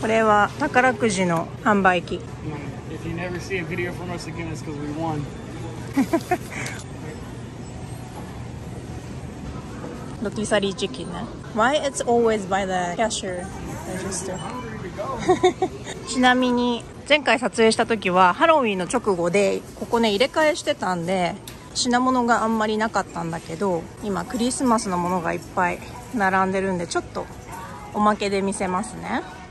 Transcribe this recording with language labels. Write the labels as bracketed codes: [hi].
[ja] これは宝くじの販売機。 [en] If you never see a video from us again, it's because we won. [ja] ロティサリーチキンね。 [en] Why it's always by the cashier register? [ja] ちなみに前回撮影した時はハロウィンの直後で、ここね入れ替えしてたんで品物があんまりなかったんだけど、今クリスマスのものがいっぱい並んでるんで、ちょっとおまけで見せますね。